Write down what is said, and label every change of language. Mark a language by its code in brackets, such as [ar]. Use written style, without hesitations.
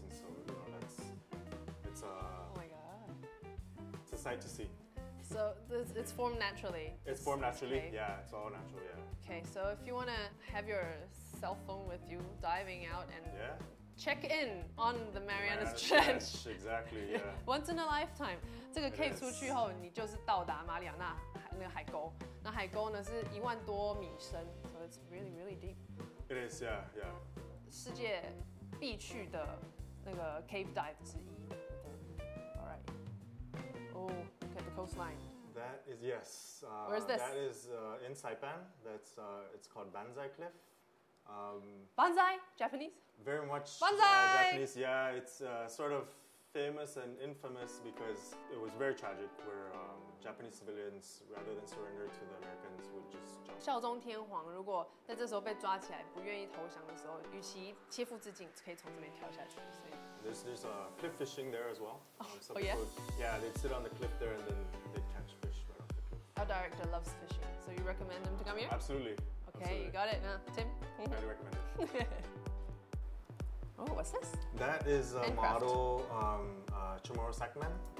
[en] And so, you know, it's a... Oh my god. It's a sight to see. So it's formed naturally. It's formed naturally, yeah. It's all natural, yeah. Okay, so if you want to have your cell phone with you diving out and check in on the Marianas Trench. Exactly, yeah. Once in a lifetime. [zh] 这个 cave 出去后，你就是到达马里亚纳那个海沟。那海沟呢是一万多米深 ， [en] so it's really really deep. It is, yeah, yeah. [zh] 世界必去的那个 cave dive 之一。 [en] All right. Oh, look at the coastline. That is yes. Where is this? That is in Saipan. That's it's called Banzai Cliff. Banzai, Japanese. Very much Banzai! Japanese. Yeah, it's sort of famous and infamous because it was very tragic where Japanese civilians, rather than surrender to the Americans, would just jump. [zh] 效忠天皇，如果在这时候被抓起来，不愿意投降的时候，与其切腹自尽，可以从这边跳下去。所以 [en] there's a cliff fishing there as well. Yeah, they'd sit on the cliff there and then they'd catch fish right off the cliff. Our director loves fishing, so you recommend them to come here? Absolutely. Okay, you got it. Now, Tim? Highly recommend it. Oh, what's this? That is a model Chamorro Sacman.